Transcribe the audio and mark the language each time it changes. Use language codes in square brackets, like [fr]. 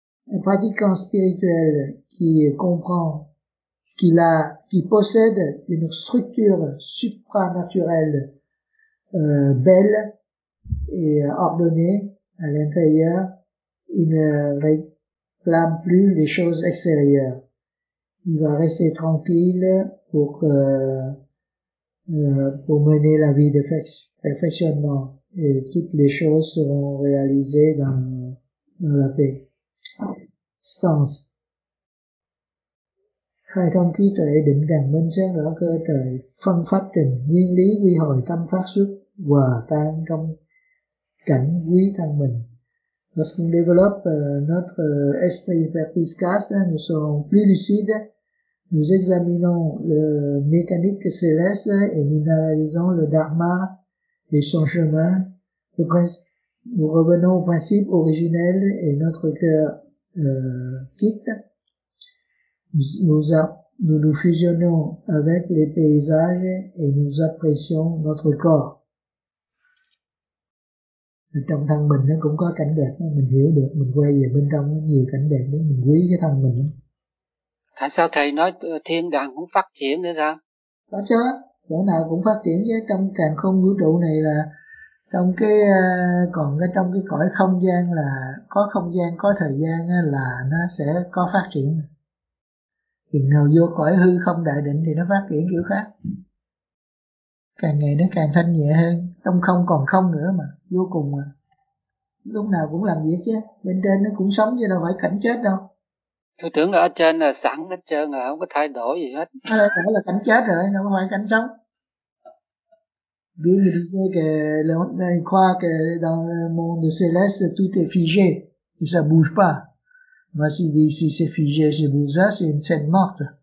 [fr] Un pratiquant spirituel qui possède une structure supranaturelle belle et ordonnée à l'intérieur, il ne réclame plus les choses extérieures. Il va rester tranquille pour mener la vie de perfectionnement. Et toutes les choses seront réalisées dans la paix. Sens. [vi] Khai thông trí tuệ, định càng minh, sáng rõ cơ trời, phân pháp trình, nguyên lý quy hồi tâm phát xuất, hòa tan trong cảnh quý thân mình. [fr] Lorsqu'on développe notre esprit perspicace, nous serons plus lucides, nous examinons le mécanique céleste et nous analysons le dharma les changements, le principe, nous revenons au principe originel et notre cœur quitte. Nous fusionnons avec les paysages et nous apprécions notre corps. [vi] Trong thân mình nó cũng có cảnh đẹp đó, mình hiểu được, mình quay về bên trong có nhiều cảnh đẹp đó, mình quý cái thân mình đó. Tại sao thầy nói thiên đàng cũng phát triển nữa sao? Có chứ, chỗ nào cũng phát triển chứ, trong càn khôn vũ trụ này là trong cái còn cái trong cái cõi không gian là có không gian, có thời gian là nó sẽ có phát triển. Khi nào vô cõi hư không đại định thì nó phát triển kiểu khác. Càng ngày nó càng thanh nhẹ hơn, trong không còn không nữa mà, vô cùng mà. Lúc nào cũng làm việc chứ, bên trên nó cũng sống chứ đâu phải cảnh chết đâu. Tôi tưởng ở trên là sẵn hết trơn rồi, không có thay đổi gì hết. Nó đâu phải là cảnh chết rồi, đâu phải cảnh sống. [fr] Bien dit que le monde croit que dans le monde céleste tout est figé, et ça bouge pas. Mais si c'est figé, c'est bouge ça, c'est une scène morte.